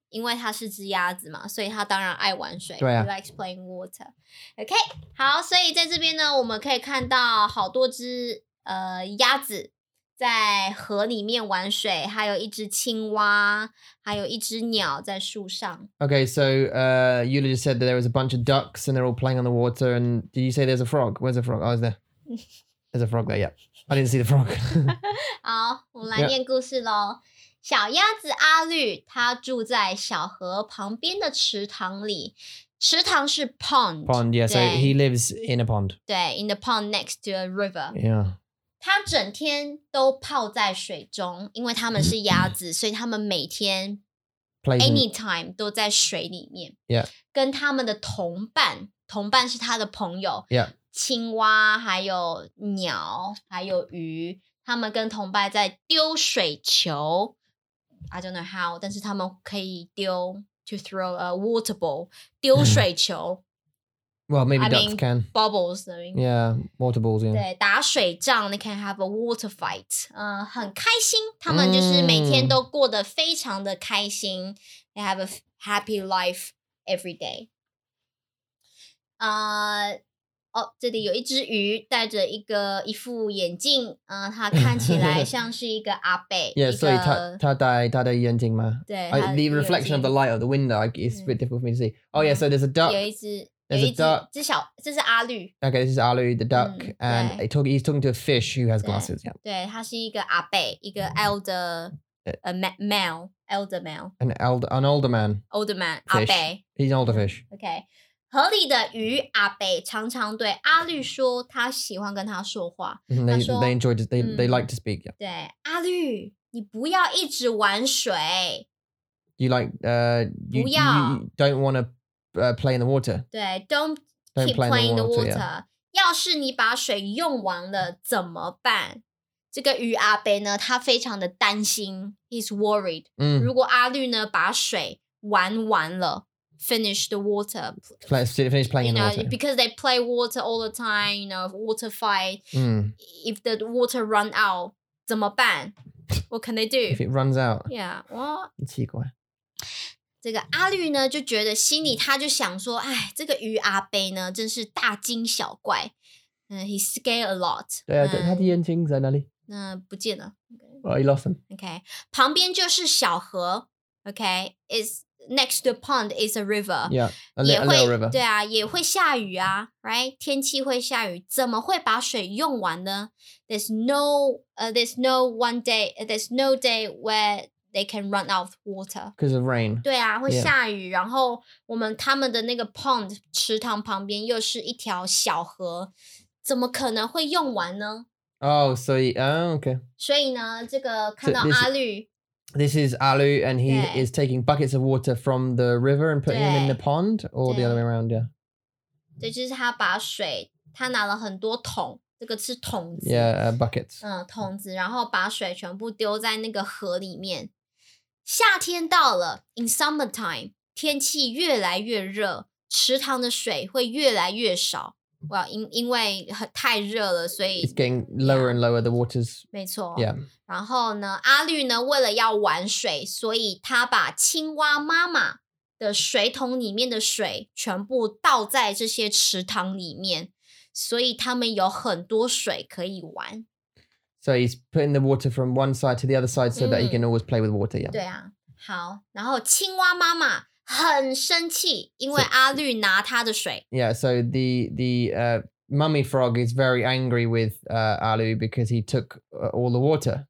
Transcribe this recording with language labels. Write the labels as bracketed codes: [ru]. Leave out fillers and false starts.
[zh] 因为它是只鸭子嘛，所以它当然爱玩水。对啊。 [en] He likes playing water. [zh] OK, 好，所以在这边呢，我们可以看到好多只鸭子在河里面玩水，还有一只青蛙，还有一只鸟在树上。 [en] OK, so Yula just said that there was a bunch of ducks and they're all playing on the water. And did you say there's a frog? Where's the frog? Oh, is there? There's a frog there, yeah. I didn't see the frog. [zh] 好，我们来念故事咯。小鸭子阿绿，它住在小河旁边的池塘里。池塘是 pond. [en] Pond, yeah, so he lives in a pond. 对, in the pond next to a river. Yeah. [zh] 它整天都泡在水中，因为它们是鸭子，所以它们每天 anytime 都在水里面。 [en] Yeah. [zh] 跟它们的同伴，同伴是它的朋友。 [en] Yeah. [zh] 青蛙，还有鸟，还有鱼，它们跟同伴在丢水球。 [en] I don't know how, [zh] 但是他们可以丢 [en] to throw a water ball, [zh] 丢水球。 [en] Well, maybe ducks can. Bubbles, I mean. Yeah, water balls, yeah. 对， [zh] 打水仗, [en] they can have a water fight. [zh] 很开心,他们就是每天都过得非常的开心。 [en] They have a happy life every day. [zh] 哦，这里有一只鱼戴着一副眼镜，它看起来像是一个阿伯。 Yeah, 所以它戴它的眼镜吗？对 [en] ，the reflection of the light of the window is a bit difficult for me to see. Oh yeah, so there's a duck. [zh] 有一只 duck. 只小，这是阿绿。 [en] Okay, this is 阿绿 the duck, and he's talking to a fish who has glasses. Yeah. [zh] 对，它是一个阿伯，一个 [en] elder, a male, elder male. An older man. Fish. 阿伯。He's an older fish. Okay. [zh] 河里的鱼阿北常常对阿绿说他喜欢跟他说话。 [en] They like to speak.、Yeah. [zh] 对阿绿你不要一直玩水。 [en] You like, don't want to play in the water. [zh] 对 [en] don't keep playing in the water.、 [zh] Yeah. 要是你把水用完了怎么办这个鱼阿北呢他非常的担心。 [en] He's worried.、 [zh] 如果阿绿呢把水玩完了。 [en] Finish the water. Finish playing you know, in the water. Because they play water all the time, you know, water fight.、If the water run out, [zh] 怎么办? [en] What can they do? If it runs out. Yeah, what? [zh] 很奇怪。这个阿绿呢就觉得心里他就想说哎这个鱼阿杯呢真是大惊小怪。 [en] He's scared a lot. [zh] 对啊、他的眼睛在哪里? 不见了。 [en] Okay. Well, he lost them. [zh] Okay. 旁边就是小河。Okay. It's... [en] Next to the pond is a river. Yeah, a little river. [zh] 对啊，也会下雨啊 ，right? 天气会下雨，怎么会把水用完呢 [en] There's no day where they can run out of water. Because of rain. [zh] 对啊，会下雨， yeah. 然后他们的那个 pond 池塘旁边又是一条小河，怎么可能会用完呢 [en] ？Oh, so okay. [zh] 所以呢，这个看到阿绿。 [en] This is Alu, and he is taking buckets of water from the river and putting them in the pond, or the other way around, yeah. [zh] 对，就是他把水，他拿了很多桶，这个是桶子。 [en] Yeah, buckets. [zh] 桶子，然后把水全部丢在那个河里面。夏天到了 ， [en] in summertime, [zh] 天气越来越热，池塘的水会越来越少。 Well, 因为太热了，所以 [en] It's getting lower and lower, the water's... [zh] 没错。 [en] Yeah. [zh] 然后呢，阿绿呢，为了要玩水，所以他把青蛙妈妈的水桶里面的水全部倒在这些池塘里面，所以他们有很多水可以玩。 [en] So he's putting the water from one side to the other side so that he can always play with water, yeah. [zh] 对啊，好。然后青蛙妈妈很生气，因为阿绿拿他的水。 [en] Yeah, so the mummy frog is very angry with Alu because he took all the water.